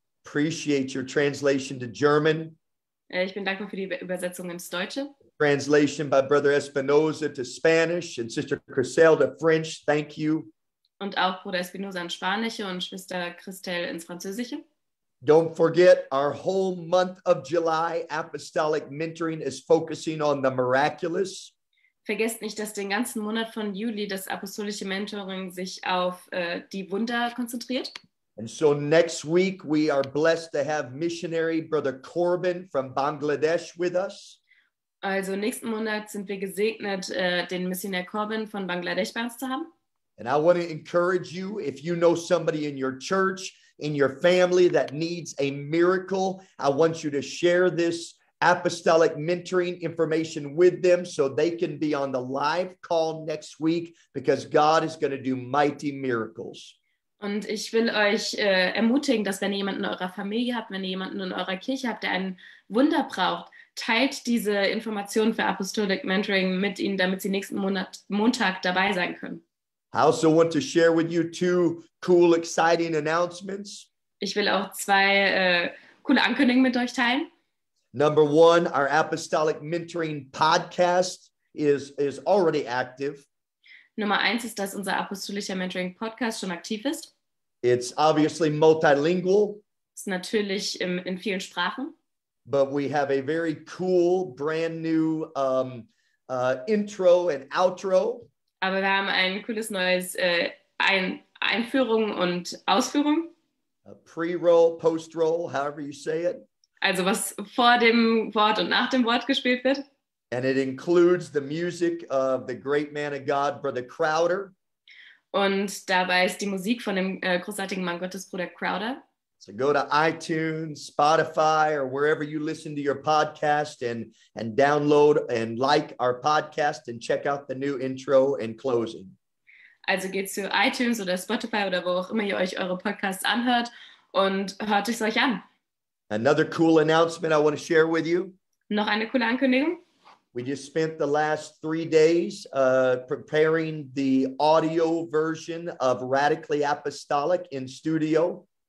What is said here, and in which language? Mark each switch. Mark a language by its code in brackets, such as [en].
[en] Appreciate your translation to German. [de] Ich bin dankbar für die Übersetzung ins Deutsche. [en] Translation by Brother Espinosa to Spanish and Sister Chriselle to French. Thank you. [de] Und auch Bruder Espinosa ins Spanische und Schwester Christelle ins Französische. [en] Don't forget, our whole month of July, Apostolic Mentoring is focusing on the miraculous. [de] Vergesst nicht, dass den ganzen Monat von Juli das apostolische Mentoring sich auf die Wunder konzentriert. [en] And so next week we are blessed to have missionary Brother Corbin from Bangladesh with us. [de] Also nächsten Monat sind wir gesegnet, den Missionär Corbin von Bangladesch bei uns zu haben. [en] And I want to encourage you, if you know somebody in your church, in your family that needs a miracle, I want you to share this apostolic mentoring information with them so they can be on the live call next week because God is going to do mighty miracles. [de] Und ich will euch ermutigen, dass wenn ihr jemanden in eurer Familie habt, wenn ihr jemanden in eurer Kirche habt, der ein Wunder braucht, teilt diese Information für Apostolic Mentoring mit ihnen, damit sie nächsten Monat, Montag dabei sein können. [en] I also want to share with you two cool, exciting announcements. [de] Ich will auch zwei coole Ankündigungen mit euch teilen. [en] Number one, our Apostolic Mentoring Podcast is already active. [de] Nummer eins ist, dass unser Apostolischer Mentoring Podcast schon aktiv ist. [en] It's obviously multilingual. [de] Ist natürlich in vielen Sprachen. [en] But we have a very cool, brand new intro and outro. [de] Aber wir haben ein cooles neues Einführung und Ausführung. [en] A pre-roll, post-roll, however you say it. [de] Also was vor dem Wort und nach dem Wort gespielt wird. [en] And it includes the music of the great man of God, Brother Crowder. [de] Und dabei ist die Musik von dem großartigen Mann Gottes, Bruder Crowder. [en] So go to iTunes, Spotify, or wherever you listen to your podcast and download and like our podcast and check out the new intro and closing. [de] Also geht zu iTunes oder Spotify oder wo auch immer ihr euch eure Podcasts anhört und hört es euch an. [en] Another cool announcement I want to share with you. [de] Noch eine coole Ankündigung. [en] We just spent the last 3 days preparing the audio version of Radically Apostolic in studio.